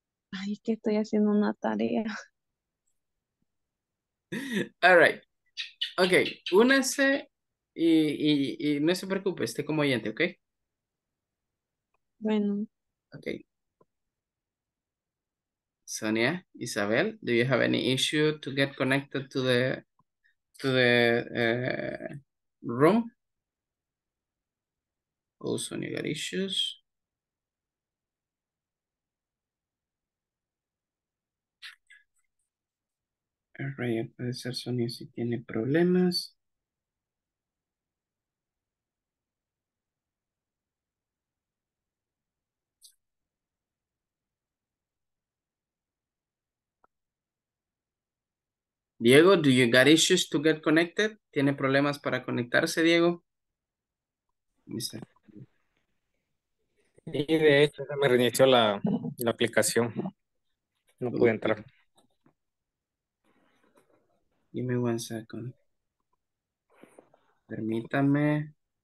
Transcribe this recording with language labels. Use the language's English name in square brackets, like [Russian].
[Spanish] Ay, que estoy haciendo una tarea. [English] All right. [Spanish] Okay, únase y no se preocupe, esté como oyente, ¿okay? Bueno. [English] Okay. Sonia, Isabel, do you have any issue to get connected to the room? Oh, Sonia got issues. [Spanish] Array, al parecer Sonia si tiene problemas. [English] Diego, do you got issues to get connected? [Spanish] ¿Tiene problemas para conectarse, Diego? Sí, de hecho, se me reinició la aplicación. No pude entrar. [English] Give me one second. [Spanish] Permítame.